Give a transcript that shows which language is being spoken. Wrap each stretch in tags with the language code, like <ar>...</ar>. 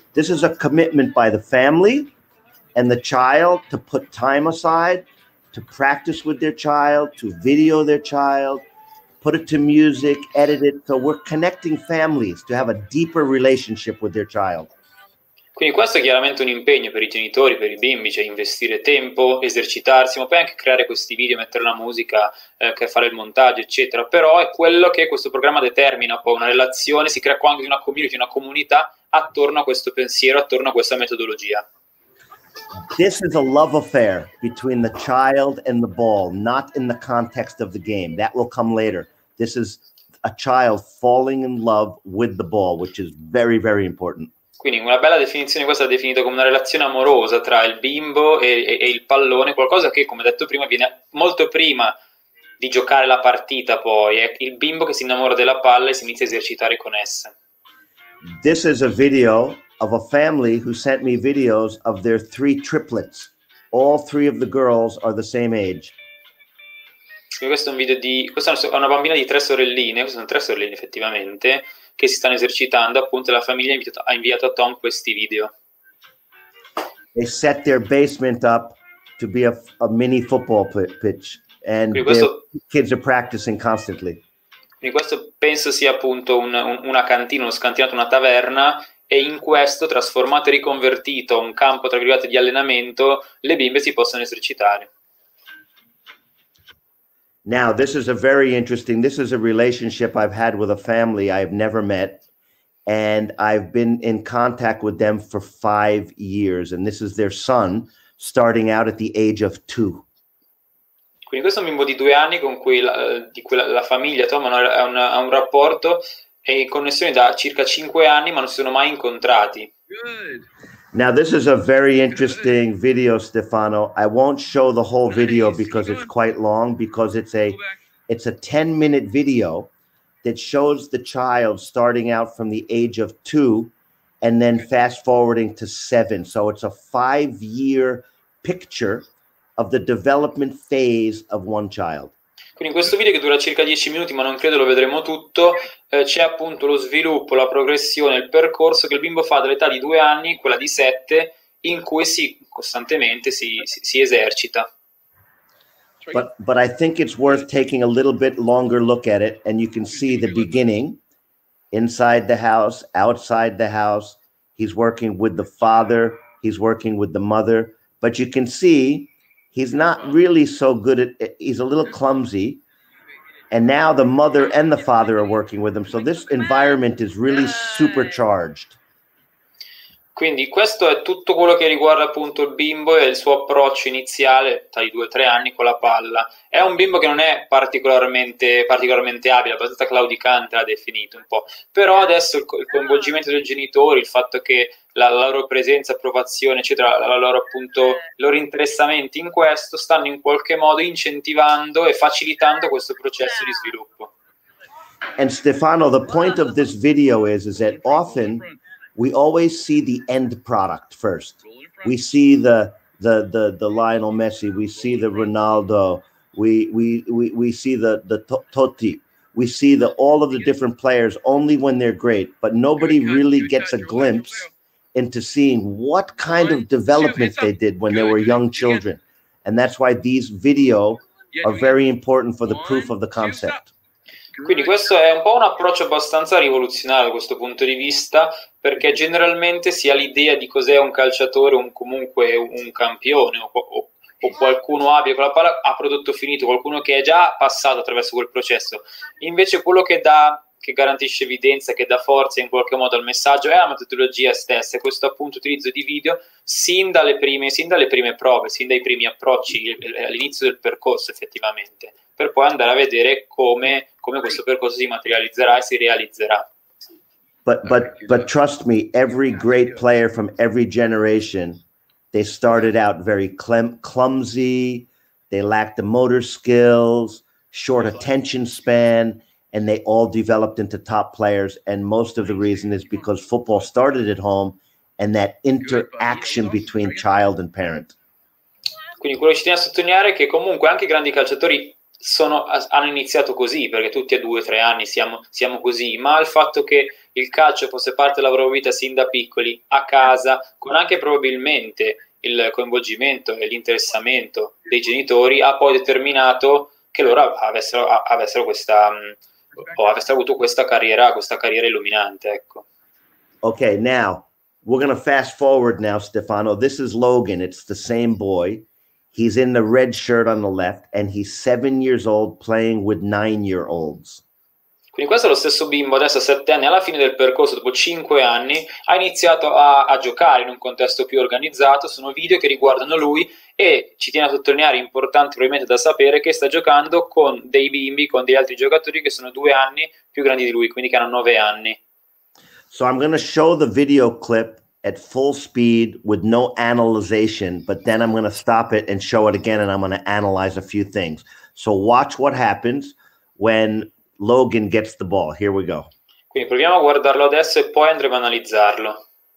<en>This is a commitment by the family and the child to put time aside, to practice with their child, to video their child, put it to music, edit it. So we're connecting families to have a deeper relationship with their child.</en> <it>Quindi questo è chiaramente un impegno per i genitori, per i bimbi, cioè investire tempo, esercitarsi, ma poi anche creare questi video, mettere la musica, fare il montaggio, eccetera. Però è quello che questo programma determina, poi una relazione, si crea qua anche una community, una comunità attorno a questo pensiero, attorno a questa metodologia.</it> <en>This is a love affair between the child and the ball, not in the context of the game. That will come later. This is a child falling in love with the ball, which is very, very important.</en> <it>Quindi una bella definizione, questa è definita come una relazione amorosa tra il bimbo e il pallone, qualcosa che, come detto prima, viene molto prima di giocare la partita poi. È il bimbo che si innamora della palla e si inizia a esercitare con essa.</it> <en>This is a video of a family who sent me videos of their 3 triplets. All 3 of the girls are the same age.</en> <it>Questo è un video di... questa è una bambina di 3 sorelline, queste sono 3 sorelline effettivamente, che si stanno esercitando, appunto la famiglia ha inviato a Tom questi video.</it> <en>They set their basement up to be a mini football pitch, and</en> <it>questo,</it> <en>their kids are practicing constantly.</en> <it>Quindi questo penso sia appunto una cantina, uno scantinato, una taverna, e in questo trasformato e riconvertito un campo tra virgolette di allenamento, le bimbe si possono esercitare.</it> <en>Now, this is a very interesting, this is a relationship I've had with a family I've never met, and I've been in contact with them for 5 years, and this is their son, starting out at the age of 2.</en> <it>Quindi questo è un bimbo di 2 anni con cui la famiglia Tom ha un rapporto e in connessione da circa 5 anni, ma non si sono mai incontrati.</it> <en>Now, this is a very interesting video, Stefano. I won't show the whole video because it's quite long, because it's a 10-minute video that shows the child starting out from the age of 2 and then fast-forwarding to 7. So it's a 5-year picture of the development phase of one child.</en> <it>Quindi in questo video, che dura circa 10 minuti, ma non credo lo vedremo tutto, c'è appunto lo sviluppo, la progressione, il percorso che il bimbo fa dall'età di 2 anni, quella di 7, in cui si costantemente si esercita.</it> <en>But I think it's worth taking a little bit longer look at it, and you can see the beginning, inside the house, outside the house, he's working with the father, he's working with the mother, but you can see he's not really so good at it. He's a little clumsy. And now the mother and the father are working with him. So this environment is really supercharged.</en> <it>Quindi questo è tutto quello che riguarda appunto il bimbo e il suo approccio iniziale tra i 2 o 3 anni con la palla. È un bimbo che non è particolarmente abile, abbastanza claudicante l'ha definito un po'. Però adesso il coinvolgimento dei genitori, il fatto che la loro presenza, approvazione, eccetera, loro interessamento in questo, stanno in qualche modo incentivando e facilitando questo processo di sviluppo.</it> <en>And Stefano, the point of this video is that often we always see the end product first. We see the Lionel Messi, we see the Ronaldo, we see the Totti, we see the all of the different players only when they're great, but nobody really gets a glimpse into seeing what kind of development they did when they were young children. And that's why these video are very important for the proof of the concept.</en> <it>Quindi questo è un po' un approccio abbastanza rivoluzionario da questo punto di vista, perché generalmente si ha l'idea di cos'è un calciatore, un campione o qualcuno abile con la palla a prodotto finito, qualcuno che è già passato attraverso quel processo. Invece quello che garantisce evidenza, che dà forza in qualche modo al messaggio, è la metodologia stessa, questo appunto utilizzo di video sin dalle prime prove, sin dai primi approcci all'inizio del percorso effettivamente, per poi andare a vedere come questo percorso si materializzerà e si realizzerà.</it> <en>But trust me, every great player from every generation, they started out very clumsy, they lacked the motor skills, short attention span, and they all developed into top players, and most of the reason is because football started at home and that interaction between child and parent.</en> <it>Quindi quello che ci tiene a sottolineare è che comunque anche i grandi calciatori hanno iniziato così, perché tutti a 2 o 3 anni siamo così, ma il fatto che il calcio fosse parte della loro vita sin da piccoli, a casa, con anche probabilmente il coinvolgimento e l'interessamento dei genitori, ha poi determinato che loro avessero avuto questa carriera illuminante, ecco.</it> <en>Okay, now we're gonna fast forward now, Stefano. This is Logan, it's the same boy. He's in the red shirt on the left, and he's 7 years old playing with 9-year-olds.</en> <it>Quindi questo è lo stesso bimbo, adesso a 7 anni, alla fine del percorso, dopo 5 anni, ha iniziato a giocare in un contesto più organizzato. Sono video che riguardano lui, e ci tiene a sottolineare, importante probabilmente da sapere, che sta giocando con dei bimbi, con degli altri giocatori che sono 2 anni più grandi di lui, quindi che hanno 9 anni.</it> <en>So I'm going to show the video clip at full speed with no analyzation, but then I'm going to stop it and show it again, and I'm going to analyze a few things. So watch what happens when Logan gets the ball. Here we go.</en> <it>Quindi proviamo a guardarlo adesso e poi andremo a analizzarlo.</it>